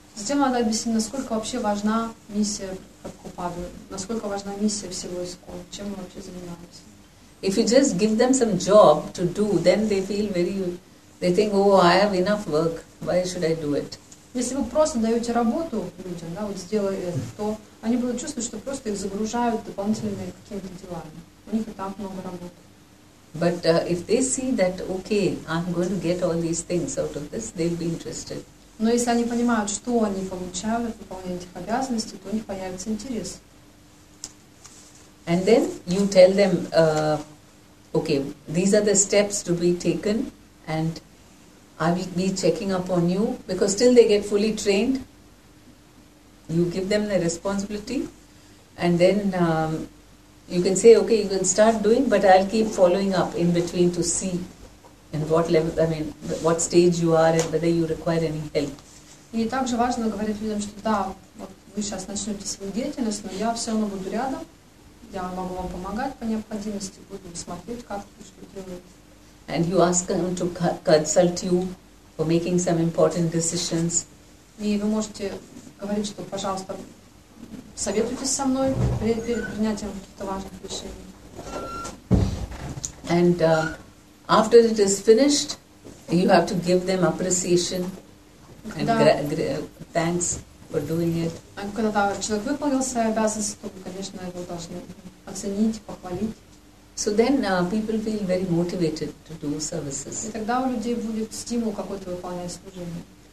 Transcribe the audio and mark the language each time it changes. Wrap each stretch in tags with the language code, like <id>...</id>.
<ru>Затем надо объяснить, насколько вообще важна миссия Прабхупады, насколько важна миссия всего ИСККОН, чем мы вообще занимаемся.</ru> <en>If you just give them some job to do, then they feel very... They think, oh, I have enough work. Why should I do it?</en> <ru>Если вы просто даете работу людям, да, вот сделай это, то они будут чувствовать, что просто их загружают дополнительными какими-то делами. У них и так много работы.</ru> <en>But if they see that, okay, I'm going to get all these things out of this, they'll be interested.</en> <ru>Но если они понимают, что они получают от выполнения этих обязанностей, то у них появится интерес.</ru> <en>And then you tell them, okay, these are the steps to be taken. And I will be checking up on you, because till they get fully trained, you give them the responsibility, and then you can say, okay, you can start doing, but I'll keep following up in between to see in what level, I mean, what stage you are and whether you require any help.</en> <ru>И также важно говорить людям, что да, вот вы сейчас начнете свою деятельность, но я все равно буду рядом, я могу вам помогать по необходимости, буду смотреть, как вы что делаете.</ru> <en>And you ask them to consult you for making some important decisions.</en> <ru>И вы можете говорить, что, пожалуйста, советуйтесь со мной перед принятием каких-то важных решений.</ru> <en>And after it is finished, you have to give them appreciation and thanks for doing it.</en> <ru>Когда человек выполнил свои обязанности, то, конечно, его должны оценить, похвалить.</ru> <en>So then people feel very motivated to do services.</en> <ru>И тогда у людей будет стимул какой-то выполнять служение.</ru>